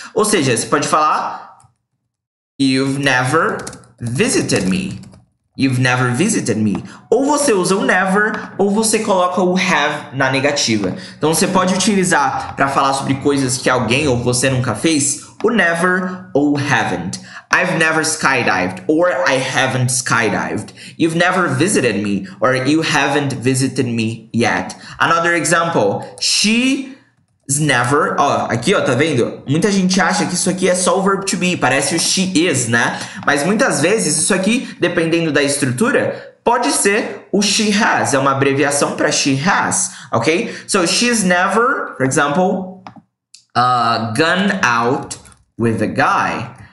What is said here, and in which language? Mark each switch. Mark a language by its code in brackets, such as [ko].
[pt] Ou seja, você pode falar, [en] You've never visited me. You've never visited me. [pt] Ou você usa o never, ou você coloca o have na negativa. Então você pode utilizar para falar sobre coisas que alguém ou você nunca fez, o never ou haven't. [en] I've never skydived, or I haven't skydived. You've never visited me, or you haven't visited me yet. Another example. She's never. [pt] Ó, aqui, ó, tá vendo? Muita gente acha que isso aqui é só o verbo to be, parece o she is, né? Mas muitas vezes isso aqui, dependendo da estrutura, pode ser o she has, é uma abreviação para she has, ok? [en] So she's never, for example, gone out with a guy.